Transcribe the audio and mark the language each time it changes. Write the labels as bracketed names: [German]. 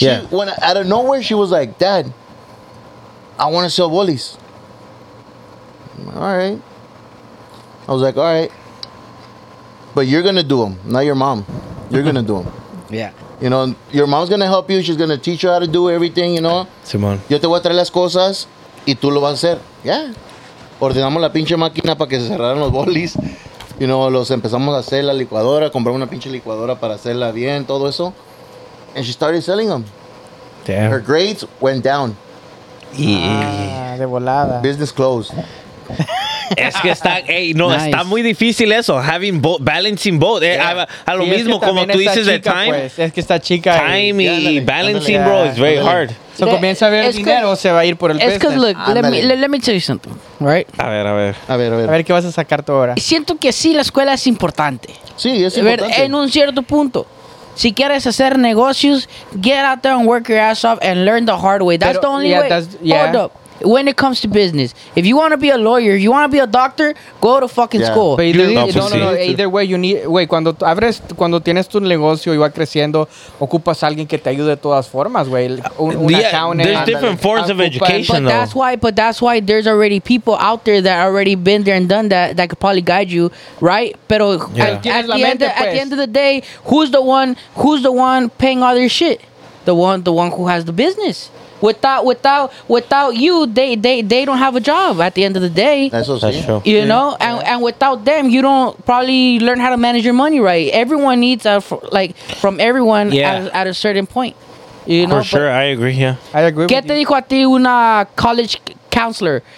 [English] When out of nowhere, she was like, Dad, I want to sell bolis. All right. I was like, all right. But you're going to do them, not your mom. You're going to do them. Yeah. You know, your mom's going to help you. She's going to teach you how to do everything, you know. [Spanish] Simón. Yo te voy a traer las cosas y tú lo vas a hacer. Yeah. Ordenamos la pinche máquina para que se cerraran los bolis. [English] You know, [Spanish] los empezamos a hacer la licuadora, compramos una pinche licuadora para hacerla bien, todo eso. [English] And she started selling them. Damn. Her grades went down. [Spanish] Yeah. De volada. [English] Business closed. [Spanish] Es que está, está muy difícil eso, [English] balancing both. [Spanish] Yeah. A lo mismo, como tú dices, de time. Pues, es que está chica. [English] Time y balancing, bro, is very hard. [Spanish] So comienza a ver el dinero, se va a ir por el business. Es que, [English] look, let me tell you something, right? [Spanish] A ver. A ver qué vas a sacar tú ahora. Siento que sí, la escuela es importante. Sí, es importante. En un cierto punto. Si quieres hacer negocios, [English] get out there and work your ass off and learn the hard way. That's the only way. Hold up. When it comes to business, if you want to be a lawyer, you want to be a doctor, go to fucking school. But either way, [Spanish] cuando abres, cuando tienes tu negocio y va creciendo, ocupas a alguien que te ayude de todas formas, güey. [English] There's different forms of education, though. But that's why there's already people out there that already been there and done that could probably guide you, right? [Spanish] Pero [English] at the end of the day, who's the one paying all their shit? The one who has the business. Without you, they don't have a job at the end of the day. That's true. You know? And without them, you don't probably learn how to manage your money right. Everyone needs, from everyone at a certain point. You know? I agree, yeah. I agree with you. [Spanish] ¿Qué te dijo a ti una college counselor?